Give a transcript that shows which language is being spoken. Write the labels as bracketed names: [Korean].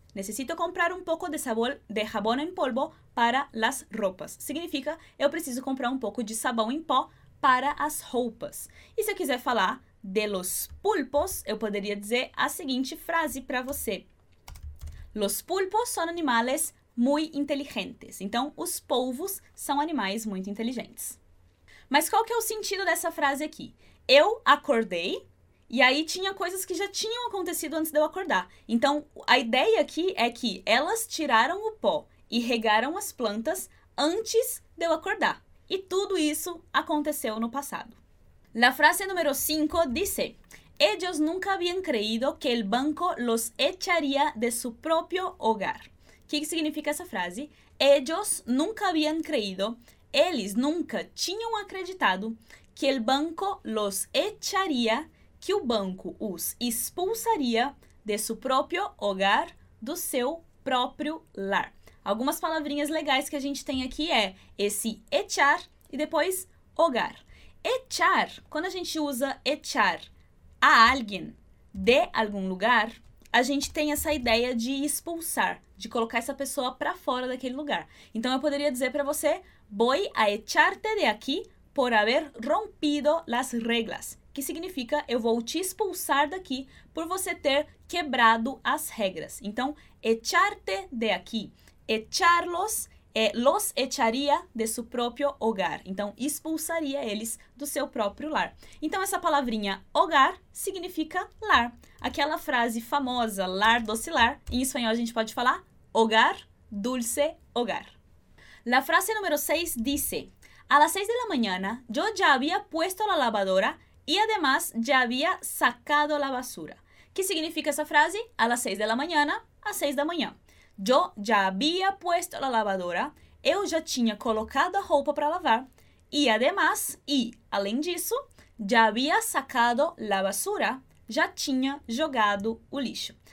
[Spanish] Necesito comprar un poco de sabor de jabón en polvo para las ropas. [Portuguese] Significa, eu preciso comprar un poco de sabão em pó para as roupas. E se eu quiser falar de [Spanish] los pulpos, [Portuguese] eu poderia dizer a seguinte frase para você. [Spanish] Los pulpos son animales muy inteligentes. [Portuguese] Então, os polvos são animais muito inteligentes. Mas qual que é o sentido dessa frase aqui? Eu acordei e aí tinha coisas que já tinham acontecido antes de eu acordar. Então, a ideia aqui é que elas tiraram o pó e regaram as plantas antes de eu acordar. E tudo isso aconteceu no passado. [Spanish] La frase número 5 dice: ellos nunca habían creído que el banco los echaría de su propio hogar. [Portuguese] O que significa essa frase? [Spanish] Ellos nunca habían creído, [Portuguese] eles nunca tinham acreditado que [Spanish] el banco los echaría, [Portuguese] que o banco os expulsaria [Spanish] de su propio hogar, [Portuguese] do seu próprio lar. Algumas palavrinhas legais que a gente tem aqui é esse echar e depois hogar. Echar, quando a gente usa echar a alguém de algum lugar, a gente tem essa ideia de expulsar, de colocar essa pessoa para fora daquele lugar. Então, eu poderia dizer para você, [Spanish] voy a echarte de aquí por haber rompido las reglas, [Portuguese] que significa eu vou te expulsar daqui por você ter quebrado as regras. Então, [Spanish] echarte de aquí. Echarlos, los echaría de su propio hogar. [Portuguese] Então, expulsaria eles do seu próprio lar. Então, essa palavrinha hogar significa lar. Aquela frase famosa, lar doce lar, em espanhol a gente pode falar [Spanish] hogar, dulce hogar. La frase número 6 dice, a las 6 de la mañana yo ya había puesto la lavadora y además ya había sacado la basura. [Portuguese] Que significa essa frase? [Spanish] A las 6 de la mañana, [Portuguese] às 6 da manhã. [Spanish] Yo ya había puesto la lavadora. [Portuguese] Eu já tinha colocado a roupa para lavar. [Spanish] Y además, [Portuguese] y além disso, já havia [Spanish] sacado la basura, [Portuguese] já tinha jogado o lixo.